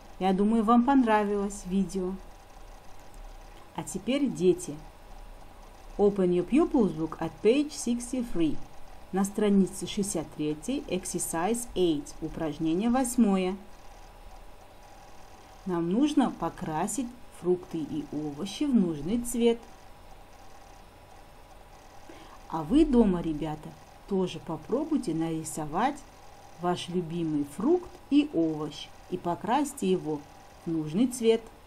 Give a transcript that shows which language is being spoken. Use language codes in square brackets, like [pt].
[ru] Я думаю, вам понравилось видео. А теперь, дети, [en] open your pupils book at page 63. [ru] На странице 63, [en] exercise 8, [ru] упражнение 8. Нам нужно покрасить фрукты и овощи в нужный цвет. А вы дома, ребята, тоже попробуйте нарисовать ваш любимый фрукт и овощ и покрасьте его в нужный цвет.